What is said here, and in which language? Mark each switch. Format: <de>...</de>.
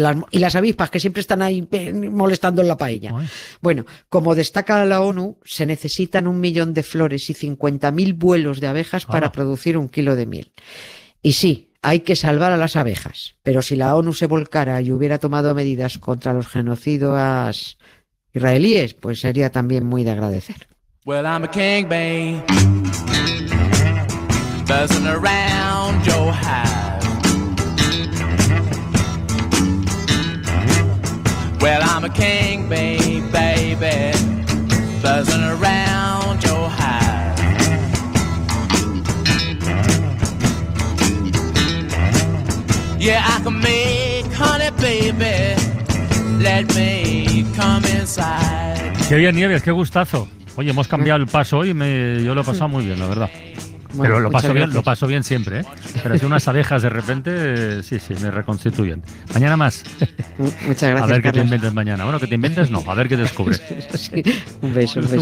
<es>Y las avispas, que siempre están ahí molestando en la paella. Bueno, como destaca la ONU, se necesitan 1 millón de flores y 50.000 vuelos de abejas para producir 1 kilo de miel. Y sí, hay que salvar a las abejas, pero si la ONU se volcara y hubiera tomado medidas contra los genocidas israelíes, pues sería también muy de agradecer.</es> <en>Well, I'm a king bee, buzzing around your hive. Well, I'm a king bee, baby, buzzing around your hive. Yeah, I can make honey, baby, let me come inside.</en> <es>Qué bien, Nieves, qué gustazo. Oye, hemos cambiado el paso hoy, yo lo he pasado muy bien, la verdad. Pero lo paso bien, lo paso bien siempre, ¿eh? Pero si unas abejas de repente, sí, sí, me reconstituyen. Mañana más. Muchas gracias. A ver qué te inventes mañana. Bueno, que te inventes no, a ver qué descubres. Sí. Un beso, un beso.</es>